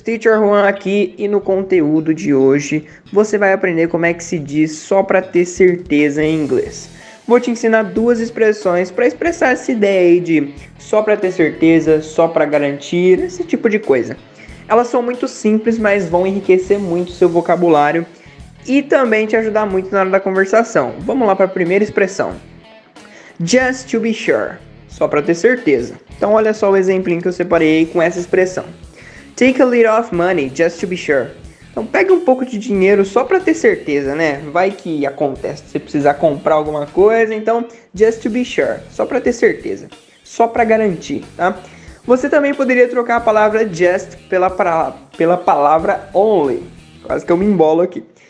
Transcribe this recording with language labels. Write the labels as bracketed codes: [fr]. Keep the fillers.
[pt] Teacher Juan aqui e no conteúdo de hoje você vai aprender como é que se diz só para ter certeza em inglês vou te ensinar duas expressões para expressar essa ideia aí de só para ter certeza, só para garantir, esse tipo de coisa. Elas são muito simples, mas vão enriquecer muito seu vocabulário e também te ajudar muito na hora da conversação. Vamos lá para a primeira expressão. [en] Just to be sure. [pt] Só para ter certeza. Então olha só o exemplinho que eu separei aí com essa expressão. [en] Take a little off money just to be sure. [pt] Então pega um pouco de dinheiro só para ter certeza, né? Vai que acontece, você precisar comprar alguma coisa, então [en] just to be sure, [pt] só para ter certeza, só para garantir, tá? Você também poderia trocar a palavra just pela, pra, pela palavra only. Quase que eu me embolo aqui.